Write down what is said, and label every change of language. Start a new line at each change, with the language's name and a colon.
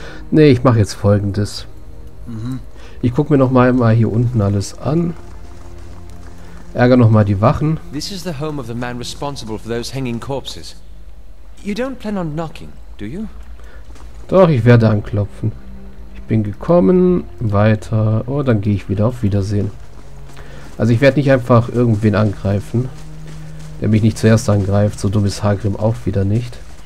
German: Nee, ich mache jetzt Folgendes. Ich gucke mir noch mal hier unten alles an. Ärger noch mal die Wachen.
English: This is the home of the man responsible for those hanging corpses. You don't plan on knocking, do you?
German: Doch, ich werde anklopfen. Ich bin gekommen, weiter. Oh, dann gehe ich wieder auf Wiedersehen. Also ich werde nicht einfach irgendwen angreifen, der mich nicht zuerst angreift. So dumm ist Hagrim auch wieder nicht.